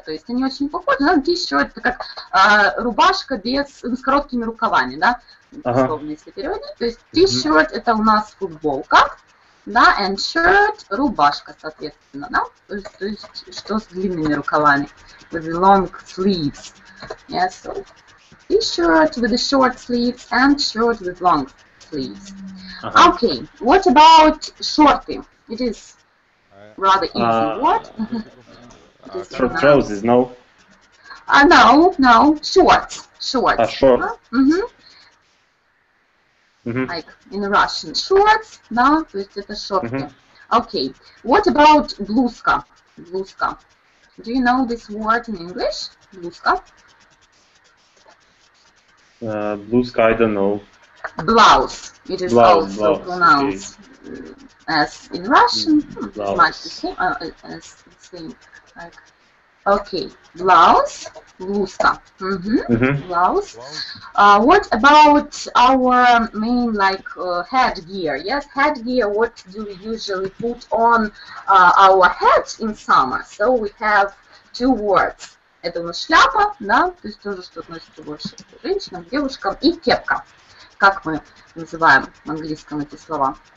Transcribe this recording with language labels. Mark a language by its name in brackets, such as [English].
[Russian] То есть они очень похожи, но t-shirt – это как рубашка без, с короткими рукавами, да? Условно, если переводить. То есть t-shirt mm-hmm. – это у нас футболка, да, [English] and shirt [Russian] – рубашка, соответственно, да? То есть что с длинными рукавами? [English] With the long sleeves. Yes, so t-shirt with the short sleeves and shirt with long sleeves. Uh-huh. Okay, what about shorty? It is rather easy. What? Trousers, no? No. Shorts. Short. Uh-huh. Mm-hmm. Like in Russian. Shorts, no? It's a shorty. Mm-hmm. Okay, what about bluzka? Bluzka. Do you know this word in English? Bluzka? Bluzka, I don't know. Blouse. It is also pronounced as in Russian. It's the same. Okay. Blouse. Блузка. Mm-hmm. Blouse. What about our main like headgear? Yes, headgear. What do we usually put on our head in summer? So we have two words. [Russian] Это у нас шляпа, да? То есть тоже что относится больше к женщинам, девушкам и кепка. Как мы называем в английском эти слова?